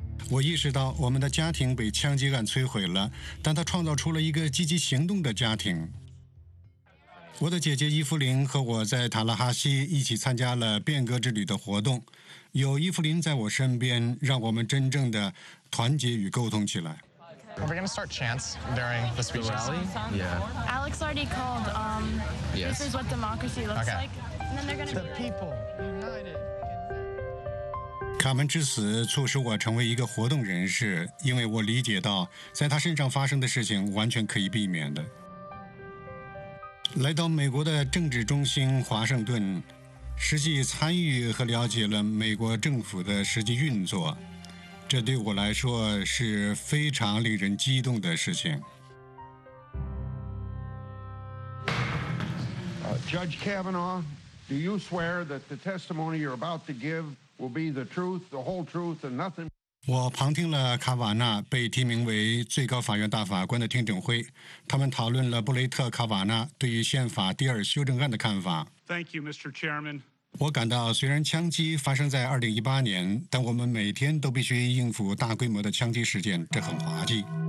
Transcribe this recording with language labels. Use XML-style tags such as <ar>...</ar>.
<zh>我意识到我们的家庭被枪击案摧毁了，但它创造出了一个积极行动的家庭。我的姐姐伊芙琳和我在塔拉哈西一起参加了变革之旅的活动，有伊芙琳在我身边，让我们真正的团结与沟通起来。</zh> <en>Are we going to start chants during the speech rally? Yeah. Alex already called. Yes. This is what democracy looks like. And then they're going to be the people.</en> <zh>卡门之死促使我成为一个活动人士，因为我理解到在他身上发生的事情完全可以避免的。来到美国的政治中心华盛顿，实际参与和了解了美国政府的实际运作，这对我来说是非常令人激动的事情。</zh> <en>Judge Kavanaugh, do you swear that the testimony you're about to give will be the truth, the whole truth, and nothing?</en> <zh>我旁听了卡瓦纳被提名为最高法院大法官的听证会，他们讨论了布雷特·卡瓦纳对于宪法第二修正案的看法。</zh> <en>Thank you, Mr. Chairman.</en> <zh>我感到虽然枪击发生在2018年，但我们每天都必须应付大规模的枪击事件，这很滑稽。</zh>